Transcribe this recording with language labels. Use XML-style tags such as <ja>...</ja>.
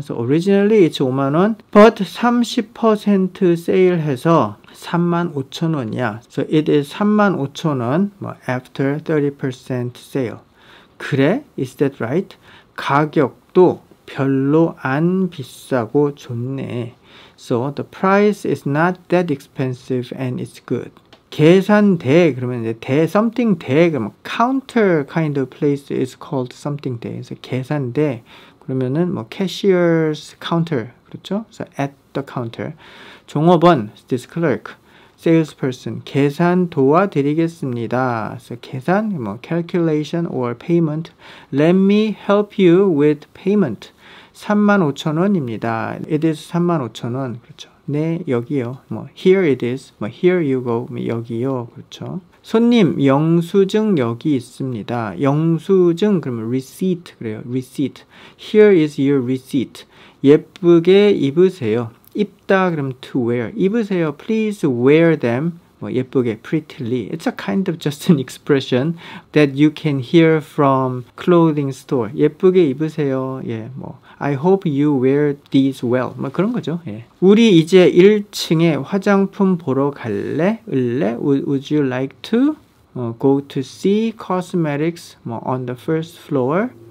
<en>So originally it's</en> <ko>5만 원,</ko> <en>but</en> <ko>30% 세일해서 3만 5천 원이야.</ko> <en>So it is</en> <ko>3만 5천 원, 뭐</ko> <en>after 30% sale.</en> <ko>그래?</ko> <en>Is that right?</en> <ko>가격도 별로 안 비싸고 좋네.</ko> <en>So the price is not that expensive and it's good.</en> <ko>계산대, 그러면 이제 대,</ko> <en>something 대,</en> <ko>그러면</ko> <en>counter kind of place is called something 대.</en> <ko>그래서 계산대, 그러면은 뭐</ko> <en>cashier's counter,</en> <ko>그렇죠?</ko> <en>So at the counter.</en> <ko>종업원,</ko> <en>this clerk.</en> <ko>Salesperson, 계산 도와드리겠습니다.</ko> <en>So, 계산, 뭐, calculation or payment. Let me help you with payment.</en> <ko>3만 5천 원입니다.</ko> <en>It is</en> <ko>3만 5천 원. 그렇죠. 네, 여기요.</ko> <en>뭐, here it is. 뭐, here you go.</en> <ko>여기요. 그렇죠. 손님, 영수증 여기 있습니다. 영수증, 그러면</ko> <en>receipt.</en> <ko>그래요.</ko> <en>Receipt. Here is your receipt.</en> <ko>예쁘게 입으세요. 입다 그럼</ko> <en>to wear.</en> <ko>입으세요.</ko> <en>Please wear them</en> <ko>뭐 예쁘게</ko> <en>prettily. It's a kind of just an expression that you can hear from clothing store.</en> <ko>예쁘게 입으세요. 예, 뭐</ko> <en>I hope you wear these well.</en> <ko>뭐 그런 거죠. 예. 우리 이제 1층에 화장품 보러 갈래? 을래?</ko> <en>Would you like to go to see cosmetics</en> <ko>뭐</ko> <en>on the first floor?</en>